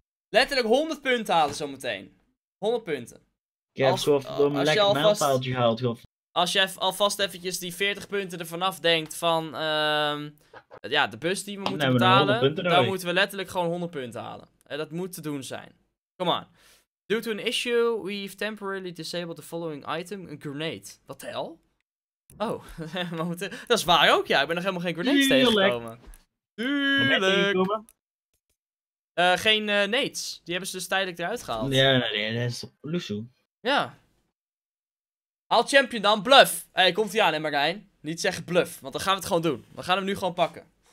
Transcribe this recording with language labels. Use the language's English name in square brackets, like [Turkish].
[Dutch] Letterlijk 100 punten halen zometeen. 100 punten. Ik heb zo'n lekker mijlpaaltje gehaald. Als je alvast eventjes die 40 punten ervan afdenkt van de bus die we moeten betalen. Dan moeten we letterlijk gewoon 100 punten halen. En dat moet te doen zijn. [English] Come on. Due to an issue, we've temporarily disabled the following item. [Dutch] Een grenade. Wat de hel? Oh, we moeten... dat is waar ook. Ja, ik ben nog helemaal geen grenades tegengekomen. Tuurlijk! Geen nades. Die hebben ze dus tijdelijk eruit gehaald. Ja, nee, dat is Lusu. Ja. Haal champion dan, bluff! Hé, hey, komt hij aan, hè, Marijn? Niet zeggen bluff, want dan gaan we het gewoon doen. We gaan hem nu gewoon pakken.